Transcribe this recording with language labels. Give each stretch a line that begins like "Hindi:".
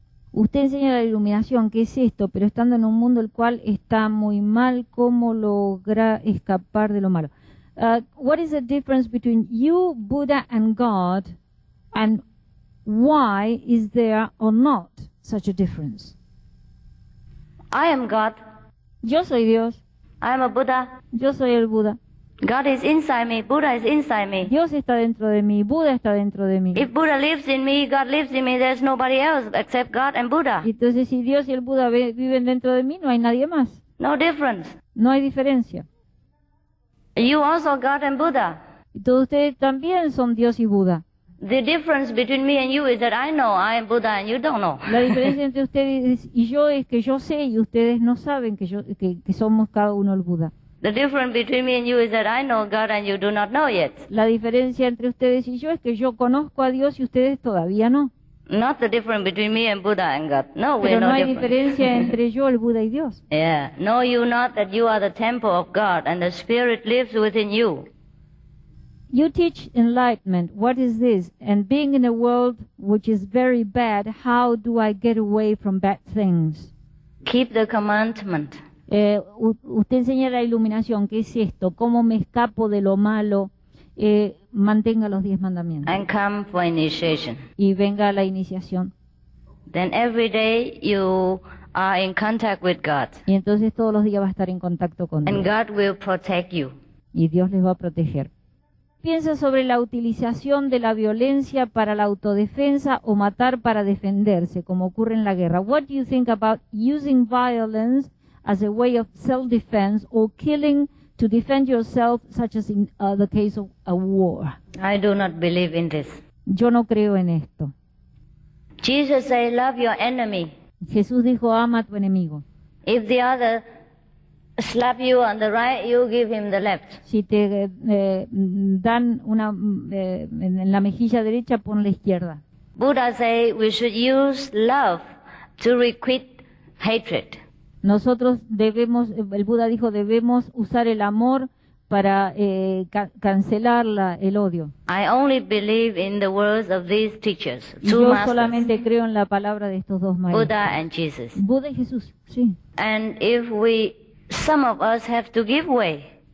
Spanish: Usted enseña la iluminación, ¿qué es esto? Pero estando en un mundo el cual está muy mal, ¿cómo logra escapar de lo malo?
English: What is the difference between you, Buddha, and God, and why is there or not such a difference? I am God.
Spanish: Yo soy Dios.
English: I am a Buddha.
Spanish: Yo soy el Buddha.
English: God is inside me. Buddha is inside me.
Spanish: Dios está dentro de mí. Buda está dentro de mí.
English: If Buddha lives in me, God lives in me. There's nobody else except God and Buddha.
Spanish: Entonces, si Dios y el Buda viven dentro de mí, no hay nadie más.
English: No difference.
Spanish: No hay diferencia.
English: You also God and Buddha.
Spanish: Todos ustedes también son Dios y Buddha.
English: The difference between me and you is that I know I am Buddha and you don't know.
Spanish: La diferencia entre ustedes y yo es que yo sé y ustedes no saben que somos cada uno el Buddha.
English: The difference between me and you is that I know God and you do not know yet.
Spanish: La diferencia entre ustedes y yo es que yo conozco a Dios y ustedes todavía no.
English: Not the difference between me and Buddha and God.
Spanish: No,
English: we are
Spanish: no hay
English: difference.
Spanish: Entre yo, el Buda, y Dios.
English: Yeah. Know you not that you are the temple of God and the Spirit lives within you? You teach enlightenment. What is this? And being in a world which is very bad, how do I get away from bad things? Keep the commandment.
Spanish: Usted enseña la iluminación. ¿Qué es esto? ¿Cómo me escapo de lo malo? Mantenga los 10 mandamientos.
English: And come for initiation.
Spanish: Y venga a la iniciación.
English: Then every day you are in contact with God.
Spanish: Y entonces todos los días va a estar en contacto con Dios.
English: And God will protect you.
Spanish: Y Dios les va a proteger. ¿Piensa sobre la utilización de la violencia para la autodefensa o matar para defenderse, como ocurre en la guerra?
English: What do you think about using violence as a way of self-defense or killing to defend yourself, such as in the case of a war? I do not believe in this.
Spanish: Yo no creo en esto.
English: Jesus said, love your enemy.
Spanish: Jesús dijo, ama a tu enemigo.
English: If the other slap you on the right, you give him the left.
Spanish: Si te dan una en la mejilla derecha, pon la izquierda.
English: Buddha said, we should use love to requite hatred.
Spanish: Nosotros debemos, el Buda dijo, debemos usar el amor para cancelar el odio.
English: I only believe in the words of these teachers, two masters.
Spanish: Yo solamente creo en la palabra de estos dos maestros.
English: Buddha and Jesus.
Spanish: Buda y Jesús, sí.
English: And if we, some of us have to give way.